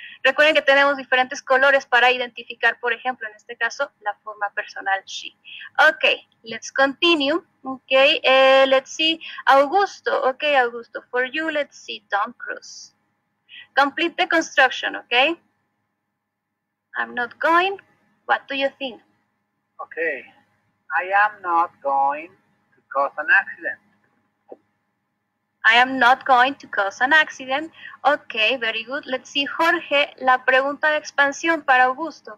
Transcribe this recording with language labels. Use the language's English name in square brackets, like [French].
[Spanish] Recuerden que tenemos diferentes colores para identificar, por ejemplo, en este caso, la forma personal she. [English] Okay, let's continue. Okay, let's see. Augusto, okay, Augusto, for you, let's see, Tom Cruise. Complete the construction, okay? I'm not going. What do you think? Okay, I am not going to cause an accident. I am not going to cause an accident. Okay, very good. Let's see, [Spanish] Jorge, la pregunta de expansión para Augusto.